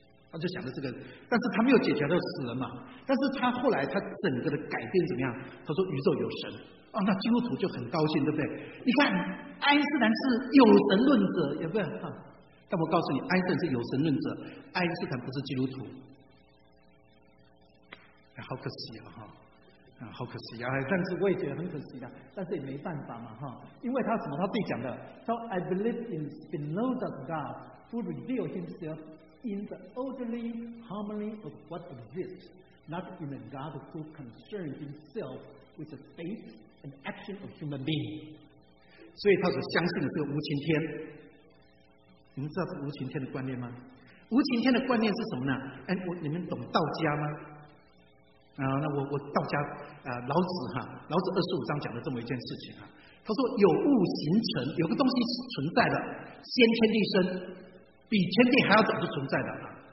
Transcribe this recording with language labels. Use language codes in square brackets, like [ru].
[zh] 他就想着这个，但是他没有解决，他死了嘛。但是他后来他整个的改变怎么样？他说宇宙有神啊，那基督徒就很高兴，对不对？你看爱因斯坦是有神论者，有没有？啊，但我告诉你，爱因斯坦是有神论者，爱因斯坦不是基督徒，哎、好可惜啊！好可惜啊！但是我也觉得很可惜啊，但是也没办法嘛，哈，因为他什么？他自己讲的，他说 [en] ：“I believe in Spinoza's God who revealed himself in the orderly harmony of what exists, not in a God who concerns himself with the fate and action of human being。” [zh] 所以他所相信的是无情天。你们知道这无情天的观念吗？无情天的观念是什么呢？哎，你们懂道家吗？啊，那我道家啊，老子哈，老子二十五章讲的这么一件事情哈，他说有物形成，有个东西是存在的，先天地生，比天地还要早就存在的啊。